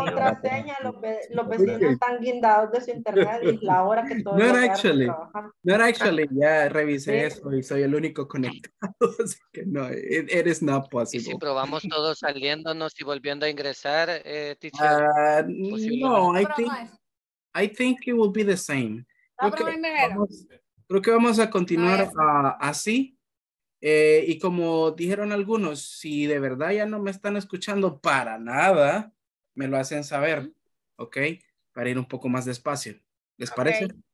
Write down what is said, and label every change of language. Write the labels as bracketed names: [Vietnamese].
[Spanish] La contraseña, los vecinos están guindados de su internet y la hora que todo. [English] Not actually. Not actually, [Spanish] ya revisé eso y soy el único conectado, así que no, [English] it is not possible. [Spanish] ¿Y si probamos todos saliéndonos y volviendo a ingresar, teacher? [English] No, I think it will be the same. [Spanish] Creo que vamos a continuar así, y como dijeron algunos, si de verdad ya no me están escuchando para nada, me lo hacen saber, ¿ok? Para ir un poco más despacio, ¿les parece?